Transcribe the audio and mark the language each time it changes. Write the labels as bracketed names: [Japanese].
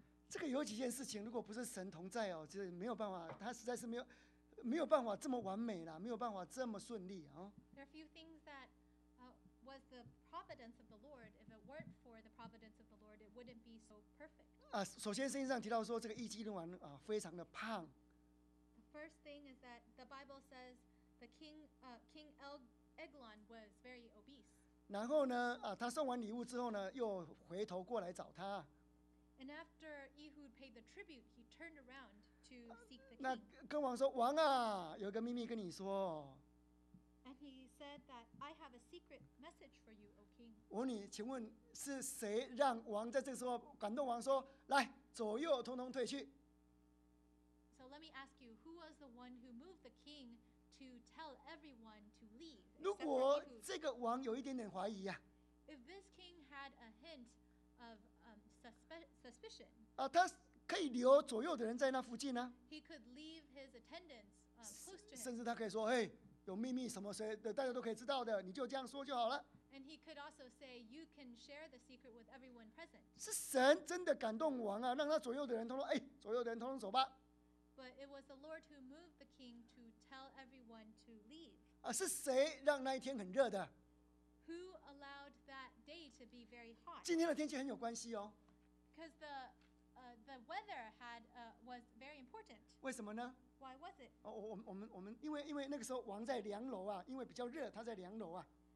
[Chinese] 这个有几件事情，如果不是神同在哦，就是没有办法，他实在是没有办法这么完美啦，没有办法这么顺利啊。 [English] There are a few things that was the providence of the Lord. If it weren't for the providence of the Lord, it wouldn't be so perfect. [Chinese] 首先圣经上提到说这个异己王啊非常的胖。 [English] The first thing is that the Bible says the king Eglon was very obese. [Chinese] 然后呢他送完礼物之后呢又回头过来找他。 [English] And after Ehud paid the tribute, he turned around to seek the king. [Chinese] 那跟王说王啊有个秘密跟你说。 [English] And he said that I have a secret message for you, O king. [Chinese] 我问你，请问是谁让王在这个时候感动王说，来，左右通通退去 [English] ？So let me ask you, who was the one who moved the king to tell everyone to leave? [Chinese] 如果这个王有一点点怀疑呀、啊、 [English] ，If this king had a hint of suspicion, [Chinese] 啊，他可以留左右的人在那附近呢、啊、 [English] ？He could leave his attendants close to him. [Chinese] 甚至他可以说，嘿。有秘密什么谁的大家都可以知道的，你就这样说就好了。 [English] And he could also say you can share the secret with everyone present. [Chinese] 是神真的感动王啊，让他左右的人通通，哎，左右的人通通走吧。 [English] But it was the Lord who moved the king to tell everyone to leave. [Chinese] 是谁让那一天很热的？ [English] Who allowed that day to be very hot? [Chinese] 今天的天气很有关系哦。 [English] Because the weather was very important. [Chinese] 为什么呢？ [English] Why was it? [Chinese] 我们因为那个时候王在凉楼啊，因为比较热，他在凉楼啊。